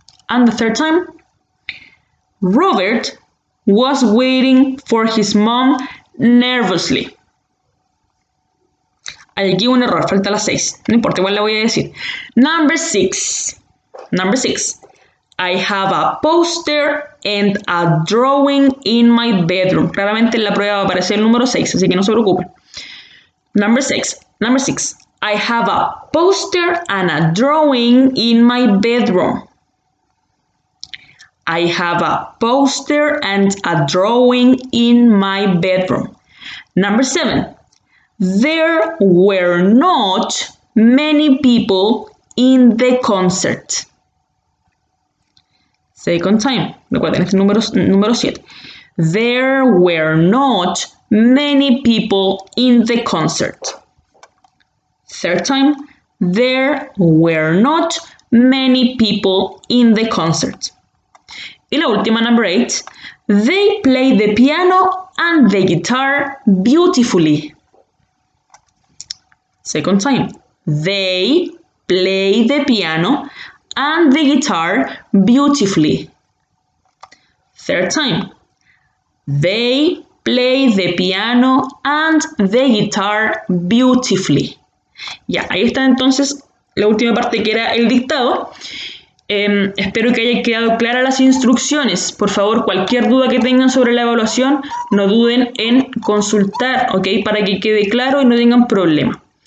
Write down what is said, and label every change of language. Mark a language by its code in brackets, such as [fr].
[en] And the third time, Robert was waiting for his mom nervously. [es] Hay aquí un error, falta la 6. No importa, igual la voy a decir. [en] Number 6. Number 6. I have a poster and a drawing in my bedroom. [es] Claramente en la prueba va a aparecer el número 6, así que no se preocupen. [en] Number 6. Number 6. I have a poster and a drawing in my bedroom. I have a poster and a drawing in my bedroom. Number 7. There were not many people in the concert. Second time. [es] Recuerden este número 7. [en] There were not many people in the concert. Third time, there were not many people in the concert. [es] Y la última, [en] number 8, they play the piano and the guitar beautifully. Second time, they play the piano and the guitar beautifully. Third time, they play the piano and the guitar beautifully. [es] Ya, ahí está entonces la última parte que era el dictado. Espero que haya quedado clara las instrucciones. Por favor, cualquier duda que tengan sobre la evaluación, no duden en consultar, ¿ok? Para que quede claro y no tengan problema.